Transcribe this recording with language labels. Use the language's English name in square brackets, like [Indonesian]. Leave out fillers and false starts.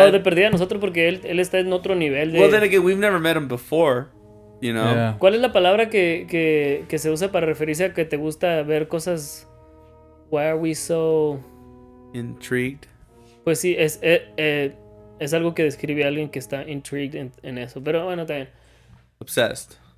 [Spanish] Oh, de perdida nosotros porque él está en otro nivel de... [English] Well, then again, we've never met him before, you know? Yeah. [Spanish] ¿Cuál es la palabra que se usa para referirse a que te gusta ver cosas? [English] Why are we so... intrigued? [Spanish] Pues sí, es... es algo que describe a alguien que está intrigued en eso. Pero bueno, también. [English] Obsessed.